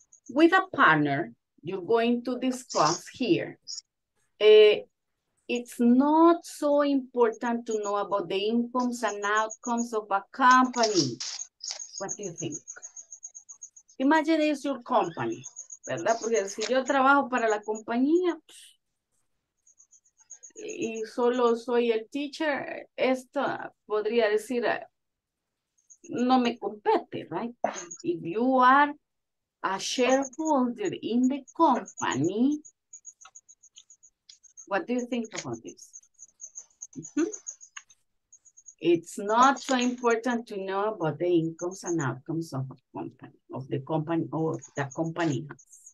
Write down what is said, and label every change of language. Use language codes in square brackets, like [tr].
[en] With a partner, you're going to discuss here. It's not so important to know about the incomes and outcomes of a company. What do you think? Imagine it's your company, [es] ¿verdad? Porque si yo trabajo para la compañía y solo soy el teacher, esto podría decir, no me compete, [en] right? If you are a shareholder in the company, what do you think about this? It's not so important to know about the incomes and outcomes of a company, of the company or the company has.